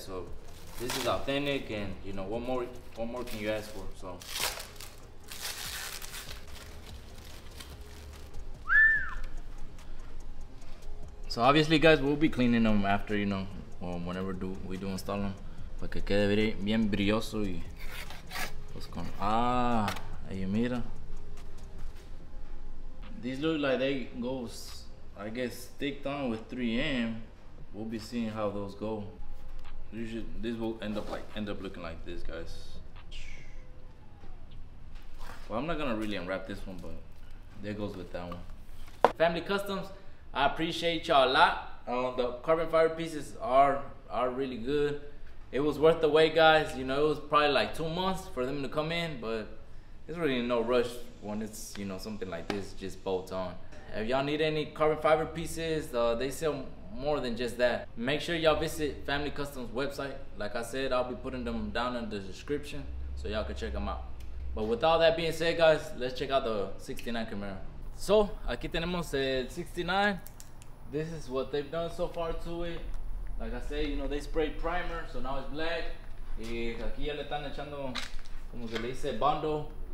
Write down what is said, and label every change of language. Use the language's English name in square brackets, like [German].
[English] So this is authentic, and you know, what more can you ask for? So obviously, guys, we'll be cleaning them after, you know, or whenever we do install them. [Spanish] Para que quede bien brilloso y pues con... Ah, ahí mira. [English] These look like they go, I guess, sticked on with 3M. We'll be seeing how those go. This will end up looking like this, guys. Well, I'm not gonna really unwrap this one, but there goes with that one. Family Customs, I appreciate y'all a lot. The carbon fiber pieces are really good. It was worth the wait, guys. You know, it was probably like 2 months for them to come in, but it's really no rush when it's, you know, something like this just bolt on. If y'all need any carbon fiber pieces, they sell more than just that. Make sure y'all visit Family Customs website. Like I said, I'll be putting them down in the description so y'all can check them out. But with all that being said, guys, let's check out the 69 Camaro. So, [Spanish] aquí tenemos el 69. [English] This is what they've done so far to it. Like I said, you know, they sprayed primer, so now it's black. [Spanish] Y aquí ya le están echando, como se le dice, bondo.